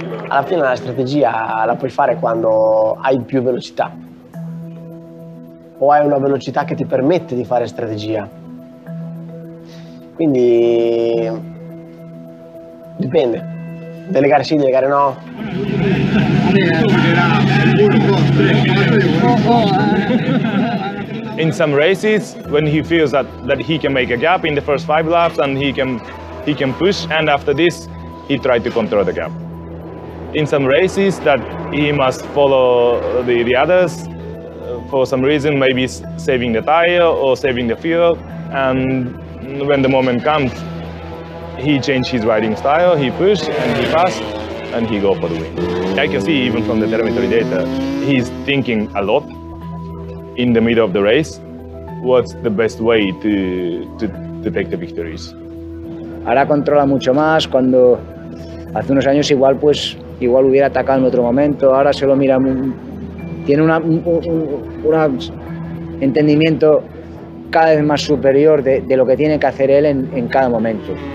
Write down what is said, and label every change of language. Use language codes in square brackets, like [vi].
[it] Alla fine la strategia la puoi fare quando hai più velocità o hai una velocità che ti permette di fare strategia. Quindi dipende, delle gare sì, delle gare no. [en] In some races, when he feels that he can make a gap in the first 5 laps and he can push, and after this he tried to control the gap. In some races that he must follow the others for some reason, maybe saving the tire or saving the fuel, and when the moment comes, he changed his riding style, he pushed and he passed and he go for the win. I can see even from the telemetry data, he's thinking a lot in the middle of the race, what's the best way to take the victories. [es] Ahora controla mucho más, cuando hace unos años igual pues igual hubiera atacado en otro momento, ahora se lo mira, tiene un entendimiento cada vez más superior de lo que tiene que hacer él en cada momento.